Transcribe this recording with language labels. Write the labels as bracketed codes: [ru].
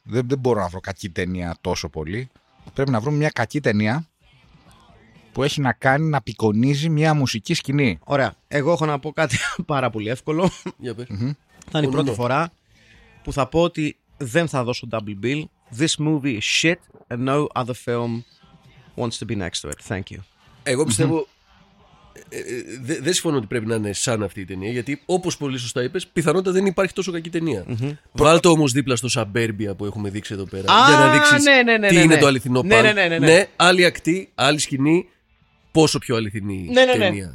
[el] Δεν μπορώ να βρω κακή ταινία τόσο πολύ. Πρέπει να βρούμε μια κακή ταινία που έχει να κάνει να απεικονίζει μια μουσική σκηνή. Ωραία. Εγώ έχω να πω κάτι πάρα πολύ εύκολο. Για θα είναι η πρώτη φορά που θα πω ότι δεν θα δώσω double bill. [en] This movie is shit and no other film wants to be next to it. Thank you. [el] Εγώ πιστεύω. Δεν συμφωνώ ότι πρέπει να είναι σαν αυτή η ταινία, γιατί όπως πολύ σωστά είπες, πιθανότατα δεν υπάρχει τόσο κακή ταινία. Βάλ το όμως δίπλα στο Suburbia που έχουμε δείξει εδώ πέρα. Για να δείξεις τι είναι το αληθινό παν. Ναι, άλλη ακτή, άλλη σκηνή. Πόσο πιο αληθινή ταινία.